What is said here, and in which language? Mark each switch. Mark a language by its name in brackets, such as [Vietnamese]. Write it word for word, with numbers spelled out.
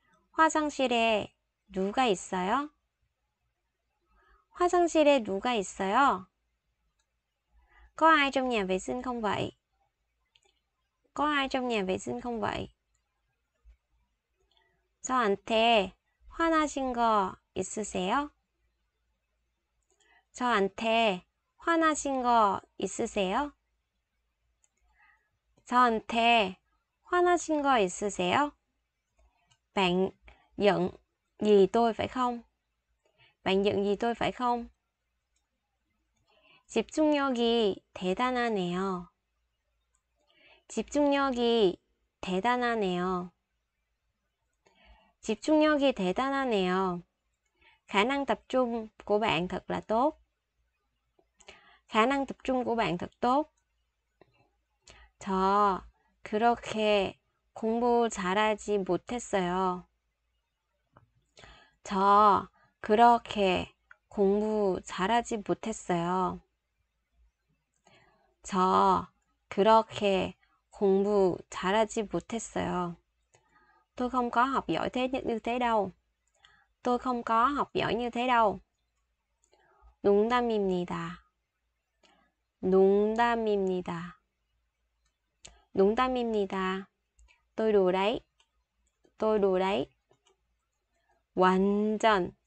[Korean] 화장실에 누가 있어요? 화장실에 누가 있어요? [Vietnamese] Có ai trong nhà vệ sinh không vậy? Có ai trong nhà vệ sinh không vậy? [Korean] 저한테 화나신 거 있으세요? 저한테 화나신 거 있으세요? 저한테 화나신 거 있으세요? [Vietnamese] Bạn giận gì tôi phải không? Bạn giận gì tôi phải không? [Korean] 집중력이 대단하네요. 집중력이 대단하네요. 집중력이 대단하네요. [Vietnamese] Khả năng tập trung của bạn thật là tốt. Khả năng tập trung của bạn thật tốt. [Korean] 저 그렇게 공부 잘하지 못했어요. 저 그렇게 공부 잘하지 못했어요. 저 그렇게 공부 잘하지 못했어요. [Vietnamese] Tôi không có học giỏi thế như như thế đâu. Tôi không có học giỏi như thế đâu. [Korean] 농담입니다. 농담입니다. 농담입니다. [Vietnamese] Tôi đùa đấy. Tôi đùa đấy. 완전